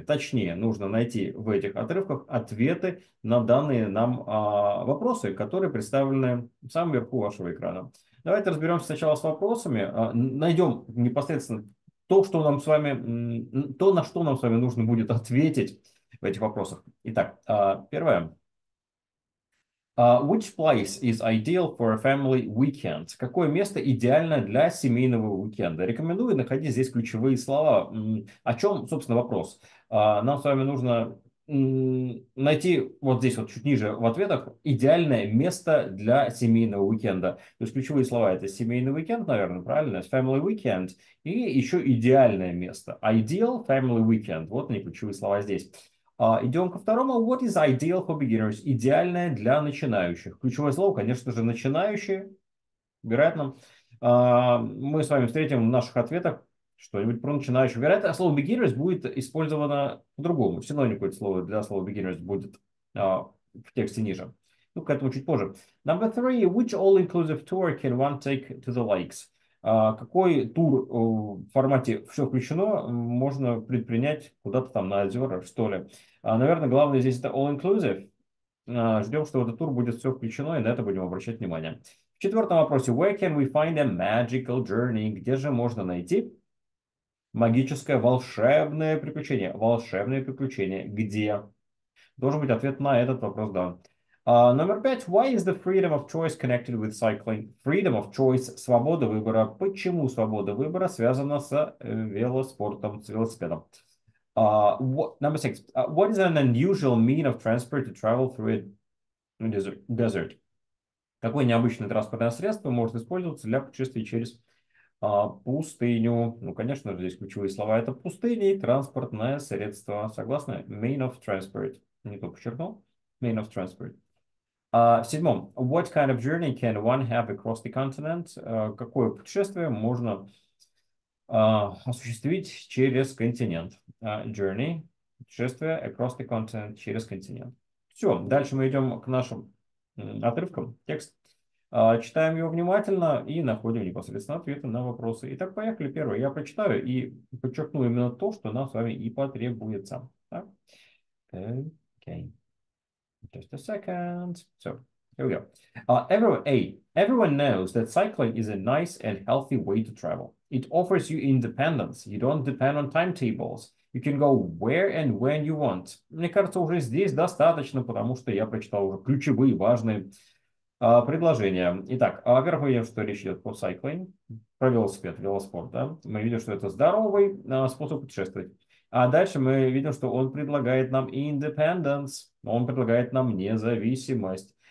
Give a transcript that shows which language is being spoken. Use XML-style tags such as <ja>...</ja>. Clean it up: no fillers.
<ru>Точнее, нужно найти в этих отрывках ответы на данные нам вопросы, которые представлены в самом верху вашего экрана. Давайте разберемся сначала с вопросами. Найдем непосредственно то, что нам с вами, то, на что нам с вами нужно будет ответить в этих вопросах. Итак, первое.</ru> <en>Which place is ideal for a family weekend?</en> <ru>Какое место идеально для семейного уикенда? Рекомендую находить здесь ключевые слова. О чем, собственно, вопрос? Нам с вами нужно найти вот здесь, вот чуть ниже в ответах, идеальное место для семейного уикенда. То есть ключевые слова это семейный уикенд, наверное, правильно?</ru> <en>Family weekend.</en> <ru>И еще идеальное место.</ru> <en>Ideal family weekend.</en> <ru>Вот они, ключевые слова здесь. Идем ко второму.</ru> <en>What is ideal for beginners?</en> <ru>Идеальное для начинающих. Ключевое слово, конечно же, начинающие. Вероятно, мы с вами встретим в наших ответах что-нибудь про начинающих. Вероятно, слово beginners будет использовано по-другому. Синоним какое-то слово для слова beginners будет в тексте ниже. Ну, к этому чуть позже.</ru> <en>Number three. Which all-inclusive tour can one take to the lakes?</en> <ru>Какой тур в формате «все включено» можно предпринять куда-то там на озера, что ли? Наверное, главное здесь это all-inclusive. Ждем, что этот тур будет все включено, и на это будем обращать внимание.</ru> <en>В четвертом вопросе. Where can we find a magical journey?</en> <ru>Где же можно найти магическое волшебное приключение? Волшебное приключение. Где? Должен быть ответ на этот вопрос, да. Номер пять.</ru> <en>Why is the freedom of choice connected with cycling? Freedom of choice –</en> <ru>свобода выбора. Почему свобода выбора связана с велоспортом, с велоспедом?</ru> <en>Number six. What is an unusual mean of transport to travel through a desert?</en> <ru>Какое необычное транспортное средство может использоваться для путешествий через пустыню? Ну, конечно же, здесь ключевые слова – это пустыня и транспортное средство. Согласны?</ru> <en>Mean of transport.</en> <ru>Не то подчеркнул. Mean of transport. В седьмом.</ru> <en>What kind of journey can one have across the continent?</en> <ru>Какое путешествие можно осуществить через континент? Journey. Путешествие</ru> <en>across the continent.</en> <ru>Через континент. Все. Дальше мы идем к нашим отрывкам. Текст. Читаем его внимательно и находим непосредственно ответы на вопросы. Итак, поехали. Первое. Я прочитаю и подчеркну именно то, что нам с вами и потребуется.</ru> <en>Так. Okay. Just a second. So, here we go. Everyone knows that cycling is a nice and healthy way to travel. It offers you independence. You don't depend on timetables. You can go where and when you want.</en> <ru>Мне кажется, уже здесь достаточно, потому что я прочитал уже ключевые важные предложения. Итак, во-первых, мы видим, что речь идет про cycling, про велосипед, велоспорт. Да? Мы видим, что это здоровый способ путешествовать. А дальше мы видим, что он предлагает нам independence, он предлагает нам независимость.</ru>